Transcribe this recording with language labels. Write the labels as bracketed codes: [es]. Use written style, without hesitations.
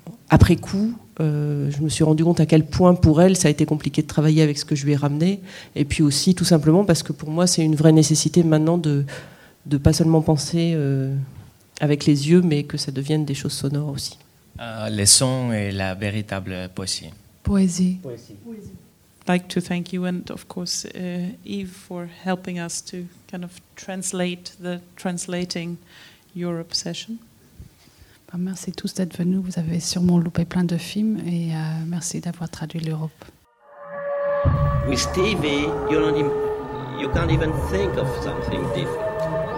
[fr] Après coup, je me suis rendu compte à quel point, pour elle, ça a été compliqué de travailler avec ce que je lui ai ramené. Et puis aussi, tout simplement, parce que pour moi, c'est une vraie nécessité maintenant de ne pas seulement penser avec les yeux, mais que ça devienne des choses sonores aussi. Les sons et la véritable poésie. Poésie. [en] I'd like to thank you, and of course, Eve, for helping us to kind of translate the translating... Your obsession. [fr] Bah, merci à tous d'être venus. Vous avez sûrement loupé plein de films, et merci d'avoir traduit l'Europe. [en] With TV, you can't even think of something different.